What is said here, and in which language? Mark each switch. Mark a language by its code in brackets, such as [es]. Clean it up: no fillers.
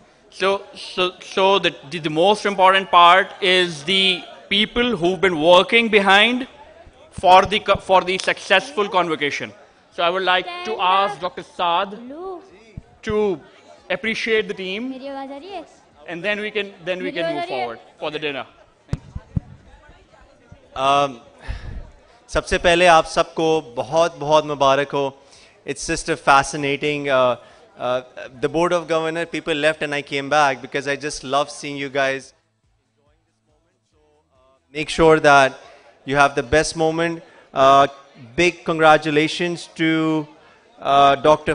[en] So the most important part is the people who've been working behind for the successful convocation. So I would like to ask Dr. Saad to appreciate the team, and then we can move forward for the dinner. [hi] सबसे पहले आप सबको बहुत बहुत मुबारक हो. [en] It's just a fascinating the board of governor people left and I came back because I just love seeing you guys enjoying this moment. So make sure that you have the best moment. Big congratulations to Dr.